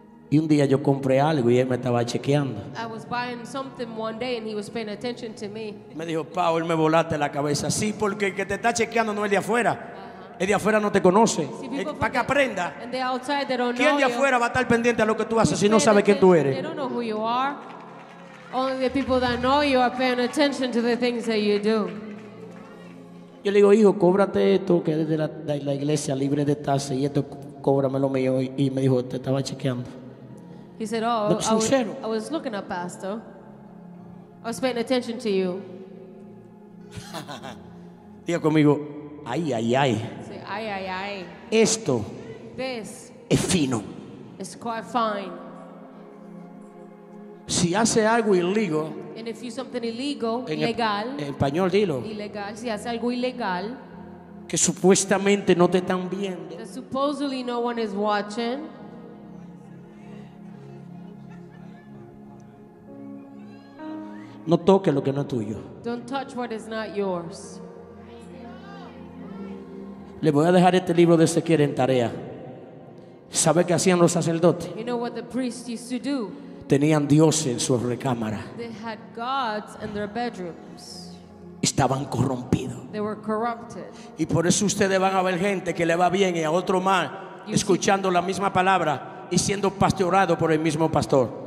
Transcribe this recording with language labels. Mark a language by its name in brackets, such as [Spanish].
[Spanish] Y un día yo compré algo y él me estaba chequeando. [English] I was buying something one day and he was paying attention to me. [Spanish] Me dijo, Paul, me volaste la cabeza. Sí, porque el que te está chequeando no es de afuera. El de afuera no te conoce. Para que aprenda. [English] And the outside, they don't [Spanish] ¿quién de afuera va a estar pendiente a lo que tú haces si no sabe quién tú eres? [English] They don't know who you are. Only the people that know you are paying attention to the things that you do. [Spanish] Yo le digo, hijo, cóbrate esto que es de la iglesia libre de tasa y esto cóbramelo mío. Y me dijo, te estaba chequeando. [English] He said, oh, I was looking up, pastor. I was paying attention to you. [Spanish] Diga conmigo, ay, ay, ay. [English] Say, ay, ay, ay. [Spanish] Esto [English] this [Spanish] es fino. [English] It's quite fine. [Spanish] Si hace algo ilegal, [English] and if you do something illegal, ilegal, [Spanish] en español dilo, ilegal, si hace algo ilegal, que supuestamente no te están viendo, [English] that supposedly no one is watching, [Spanish] no toque lo que no es tuyo. [English] Don't touch what is not yours. [Spanish] Le voy a dejar este libro de Ezequiel en tarea. ¿Sabe qué hacían los sacerdotes? [English] You know what the priests used to do? [Spanish] Tenían dioses en su recámara. [English] They had gods in their bedrooms. [Spanish] Estaban corrompidos. [English] They were corrupted. [Spanish] Y por eso ustedes van a ver gente que le va bien y a otro mal, you escuchando see, la misma palabra y siendo pastoreado por el mismo pastor.